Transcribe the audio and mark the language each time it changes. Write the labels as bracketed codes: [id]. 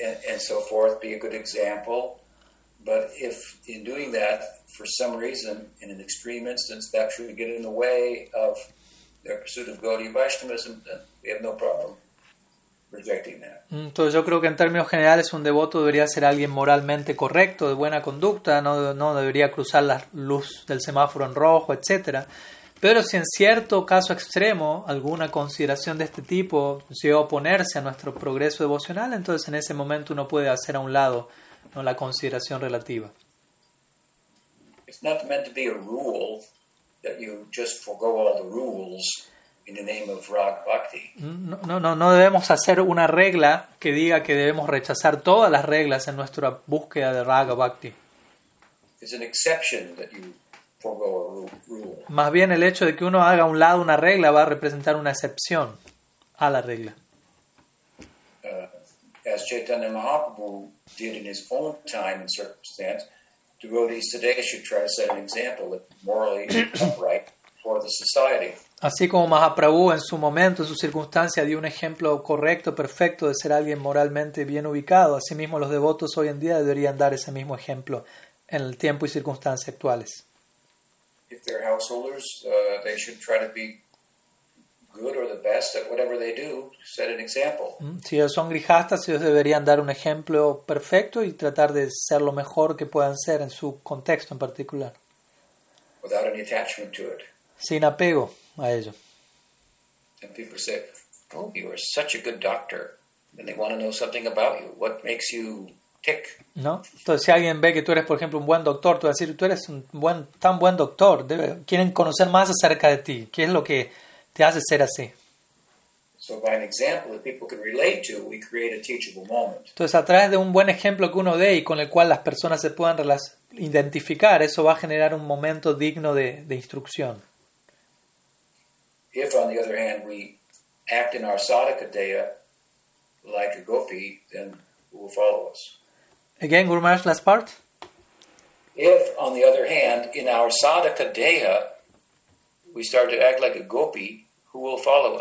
[en] And so forth, be a good example. But if in doing that, for some reason, in an extreme instance, that should get in the way of their pursuit of Gaudiya Vaishnavism, then we have no problem rejecting that. [es] Entonces yo creo que en términos generales un devoto debería ser alguien moralmente correcto, de buena conducta, no debería cruzar la luz del semáforo en rojo, etc. Pero si en cierto caso extremo alguna consideración de este tipo llega a oponerse a nuestro progreso devocional, entonces en ese momento uno puede hacer a un lado, ¿no?, la consideración relativa. [en] It's not meant to be a rule that you just forgo all the rules in the name of rag bhakti. [es] No debemos hacer una regla que diga que debemos rechazar todas las reglas en nuestra búsqueda de raga bhakti. [en] It's an exception that you rule. [es] Más bien el hecho de que uno haga a un lado una regla va a representar una excepción a la regla. [en] As Chaitanya Mahaprabhu did in his own time and circumstance, devotees today should try to set an example that morally upright for the society. [es] Así como Mahaprabhu en su momento, en su circunstancia, dio un ejemplo correcto, perfecto de ser alguien moralmente bien ubicado, así mismo los devotos hoy en día deberían dar ese mismo ejemplo en el tiempo y circunstancias actuales. [en] If they're householders, they should try to be good or the best at whatever they do, set an example. [es] Si ellos son grihastas, ellos deberían dar un ejemplo perfecto y tratar de ser lo mejor que puedan ser en su contexto en particular. [en] Without any attachment to it. [es] Sin apego a ello. [en] And people say, oh, you are such a good doctor. And they want to know something about you. What makes you tick? [es] ¿No? Entonces si alguien ve que tú eres por ejemplo un buen doctor, tú vas a decir, tú eres un buen, tan buen doctor, quieren conocer más acerca de ti, ¿qué es lo que te hace ser así? [en] So by an example that people can relate to, we create a teachable moment. [es] Entonces, a través de un buen ejemplo que uno dé y con el cual las personas se puedan identificar, eso va a generar un momento digno de instrucción. [en] If, on the other hand, we act in our sadhakadeya like a gopi, then who will follow us? Again, Guru Maharaj, last part. If, on the other hand, in our sadhakadeya, we start to act like a gopi, who will follow us?